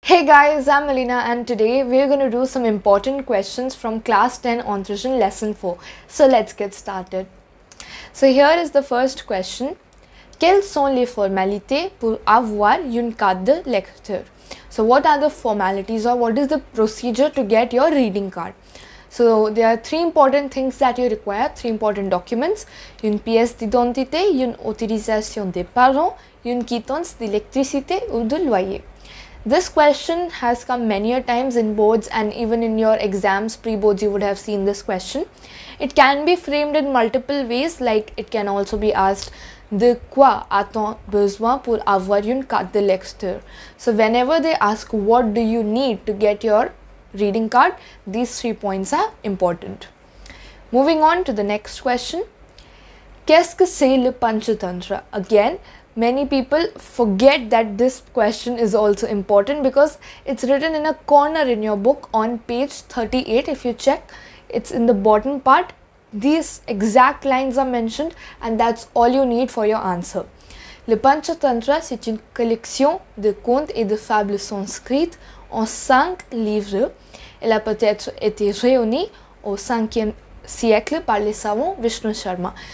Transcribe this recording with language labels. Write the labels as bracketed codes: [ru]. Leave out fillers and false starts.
[en] Hey guys, I'm Alena and today we're going to do some important questions from class 10 on Trishan lesson 4. So let's get started. So here is the first question. [fr] Quelles sont les formalités pour avoir une carte de lecteur? [en] So what are the formalities or what is the procedure to get your reading card? So there are three important things that you require, three important documents. [fr] Une pièce d'identité, une autorisation des parents, une quittance d'électricité ou de loyer. [en] This question has come many a times in boards and even in your exams, pre-boards, you would have seen this question. It can be framed in multiple ways, like it can also be asked, de quoi a-t-on besoin pour avoir une carte de lecteur? So whenever they ask, what do you need to get your reading card, these three points are important. Moving on to the next question. Qu'est-ce que c'est le panchatantra? Again, many people forget that this question is also important because it's written in a corner in your book on page 38. If you check, it's in the bottom part. These exact lines are mentioned and that's all you need for your answer. [fr] Le Panchatantra, c'est une collection de contes et de fables sanskrites en cinq livres. Elle a peut-être été réunie au 5e siècle par les savants Vishnu Sharma.